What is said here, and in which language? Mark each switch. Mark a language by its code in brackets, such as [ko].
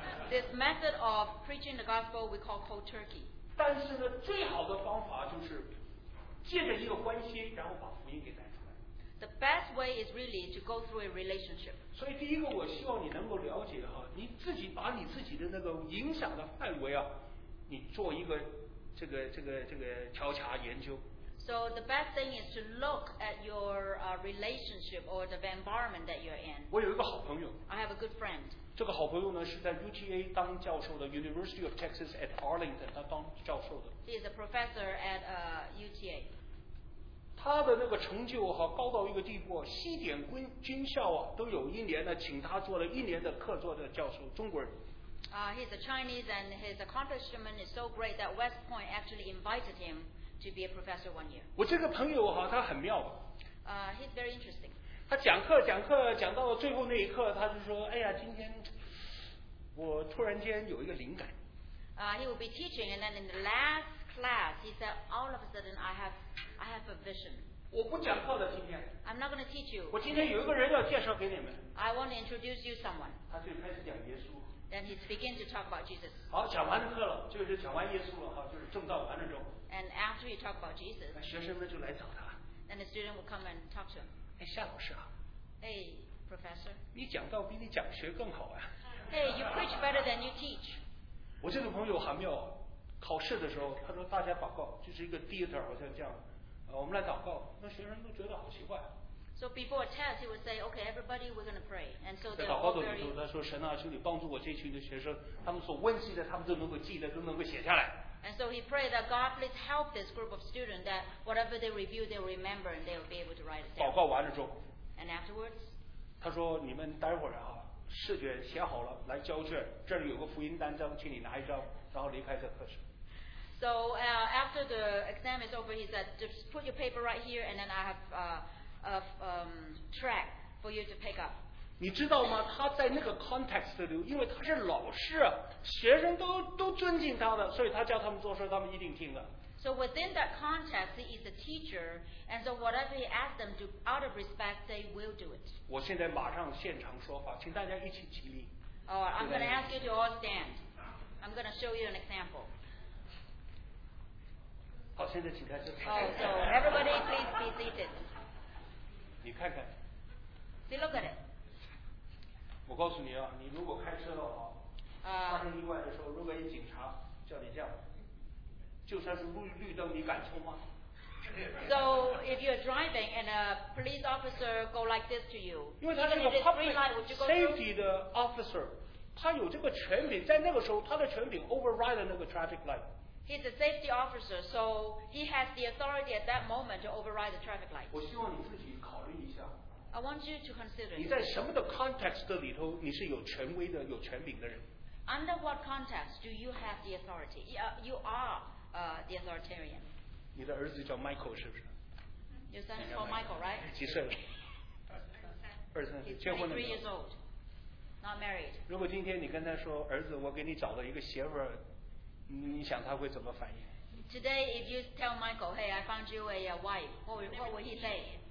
[en] This method of preaching the gospel we call cold turkey. [zh] 但是呢，最好的方法就是借着一个关系，然后把福音给带出来。 [en] The best way is really to go through a relationship. [zh] 所以第一个，我希望你能够了解哈，你自己把你自己的那个影响的范围啊，你做一个这个调查研究。 [en] So the best thing is to look at your relationship or the environment that you're in. [zh] 我有一个好朋友。 [en] I have a good friend. [zh] 这个好朋友呢是在 UTA 当教授的 ，University of Texas at Arlington， 他当教授的。 [en] He is a professor at UTA. [zh] 他的那个成就哈、啊、高到一个地步，西点军校啊都有一年呢请他做了一年的客座的教授，中国人。 [en] He's a Chinese and his accomplishment is so great that West Point actually invited him. To be a professor one year. [zh] 我这个朋友哈，他很妙的。 [en] He's very interesting. [zh] 他讲课讲到了最后那一刻，他就说：“哎呀，今天我突然间有一个灵感。” [en] He will be teaching, and then in the last class, he said, "All of a sudden, I have a vision." [zh] 我不讲课了，今天。 [en] I'm not going to teach you. [zh] 我今天有一个人要介绍给你们。 [en] I want to introduce you someone. [zh] 他就开始讲耶稣。 [en] Then he begins to talk about Jesus. [zh] 好，讲完课了，就是讲完耶稣了哈，就是正道完了之后。 [en] And after you talk about Jesus, [zh] 学生们就来找他。 [en] Then the student will come and talk to him. [zh] 哎，夏老师啊。 [en] Hey, professor. [zh] 你讲道比你讲学更好啊。 [en] Hey, you preach better than you teach. [zh] 我这个朋友还没有考试的时候，他说大家祷告，就是一个 theater 好像这样，我们来祷告，那学生都觉得好奇怪。 [en] So before a test, he would say, "Okay, everybody, we're going to pray." And so they're all very. [zh] 的时候，他说：“神啊，求你帮助我这群的学生，他们所温习的，他们都能够记得，都能够写下来。” [en] And so he prayed that God please help this group of students that whatever they review, they'll remember and they'll be able to write it down. [zh] 祷告完了之后。 [en] And afterwards. [zh] 他说：“你们待会儿啊，试卷写好了，来交卷。这里有个福音单张，请你拿一张，然后离开这课室。” [en] So after the exam is over, he said, "Just put your paper right here, and then I have track for you to pick up." [zh] 你知道吗？他在那个 context 里，因为他是老师，学生都尊敬他的，所以他叫他们做事，他们一定听的。 [en] So within that context, he is a teacher, and so whatever he asks them to, out of respect, they will do it. [zh] 我现在马上现场说法，请大家一起起立。 [en] I'm going to ask you to all stand. I'm going to show you an example. [zh] 好，现在请开始。 [en] So everybody, please be seated. [zh] 你看看 [en] See, look at it. [zh] 我告诉你啊，你如果开车的话，发生意外的时候，如果一警察叫你这样，就算是绿灯，你敢冲吗？ [en] So if you're driving and a police officer go like this to you, [zh] 因为他是个 [en] public safety [zh] 的 officer, 他有这个权柄，在那个时候他的权柄 override 那个 [en] traffic light。 He's a safety officer, so he has the authority at that moment to override the traffic light. [zh] 我希望你自己考虑一下。 [en] I want you to consider. [zh] 你在什么的 context 里头，你是有权威的、有权柄的人。 [en] Under what context do you have the authority? You are the authoritarian. [zh] 你的儿子叫 Michael 是不是？ [en] Your son is called Michael, right? [zh] 几岁了？二三。结婚了没有？ [en] He's 23 years old, not married. [zh] 如果今天你跟他说，儿子，我给你找了一个媳妇儿。你想他会怎么反应？ [en] Today, if you tell Michael, hey, I found you a wife, what would he say?